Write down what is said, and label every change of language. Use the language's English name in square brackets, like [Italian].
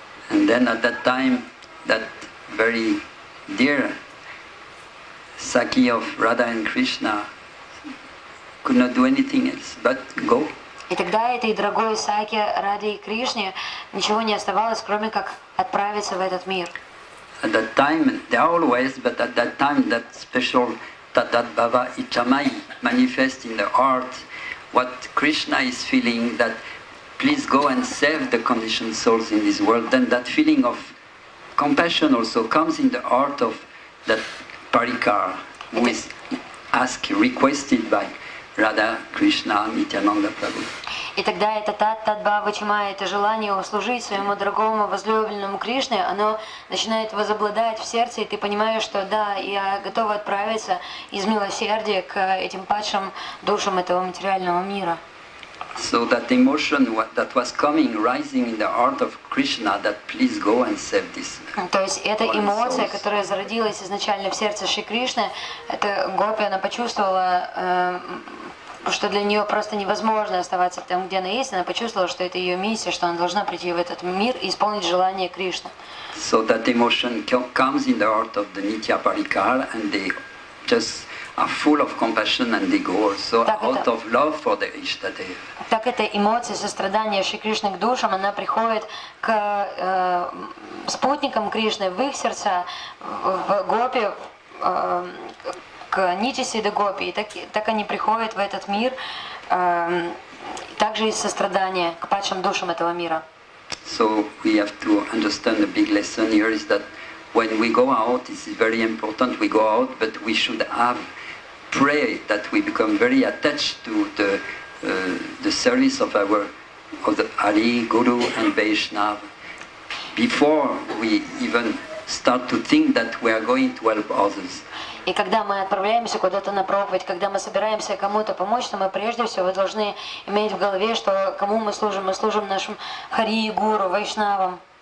[English] And then at that time, that very dear Sakhi of Radha and Krishna could not do anything else but go. [Russian] И тогда этой дорогой Сакхи Раде и Кришне ничего не оставалось, кроме как отправиться в этот мир. [English] At that time, there always, but at that time, that special Tathat Bhava Ichamai manifests in the heart what Krishna is feeling, that please go and save the conditioned souls in this world. Then that feeling of compassion also comes in the heart of that Parikar, who is asked, requested by Radha, Krishna, Nityananda Prabhu. [Russian] И тогда это таттатбавачимая, это желание услужить своему дорогому возлюбленному Кришне, оно начинает возобладать в сердце, и ты понимаешь, что да, я готова отправиться из милосердия к этим падшим душам этого материального мира. [English] So that emotion that was coming, rising in the heart of Krishna, that please go and save this. [Russian] То есть эта эмоция, которая зародилась изначально в сердце Шри Кришны, эта гопи, она почувствовала, что для нее просто невозможно оставаться там, где она есть, она почувствовала, что это ее миссия, что она должна прийти в этот мир и исполнить желание Кришны. [English] So that emotion comes in the heart of the Nitya Parikar, and they just are full of compassion and they go also out of love for the Ishtadev. [Russian] Так эта эмоция сострадания Шри Кришны к душам, она приходит к спутникам Кришны в их сердца, в гопи, к Нити Сиддхи Гопи, и так они приходят в этот мир, также из сострадания к падшим душам этого мира. [English] So we have to understand the big lesson here is that when we go out, it's very important we go out, but we should have pray that we become very attached to the service of our of the Hari, Guru and Vaishnava before we even start to think that we are going to help others. [Russian] И когда мы отправляемся куда-то на проповедь, когда мы собираемся кому-то помочь, то мы прежде всего должны иметь в голове, что кому мы служим нашим Хари, Гуру, Вайшнавам.